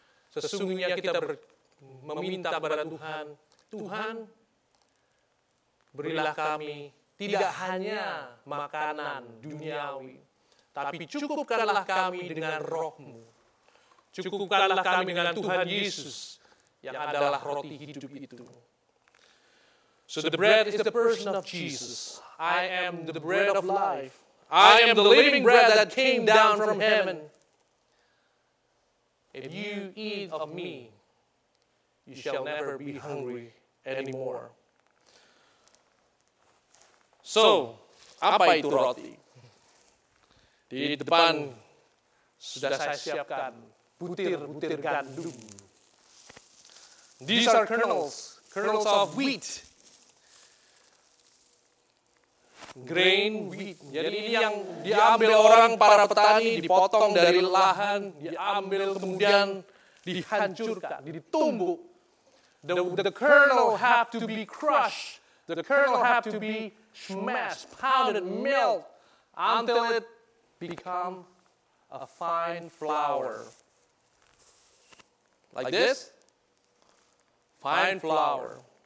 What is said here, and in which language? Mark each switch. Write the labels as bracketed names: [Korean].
[Indonesian] Sesungguhnya kita meminta kepada Tuhan, Tuhan berilah kami tidak hanya makanan duniawi, tapi cukupkanlah kami dengan roh-Mu. Cukupkanlah kami dengan Tuhan Yesus yang adalah roti hidup itu. [English] So the bread is the person of Jesus. I am the bread of life. I am the living bread that came down from heaven. If you eat of me, you shall never be hungry anymore. [Indonesian] So, apa itu roti? Di depan sudah saya siapkan butir-butir gandum. [English] These are kernels of wheat. Grain wheat. [Indonesian] Jadi ini yang diambil orang, para petani, dipotong dari lahan, diambil kemudian dihancurkan, ditumbuk. [English] The kernel have to be crushed. The kernel have to be smashed, pounded, milled until it become a fine flour. Like this? Fine flour.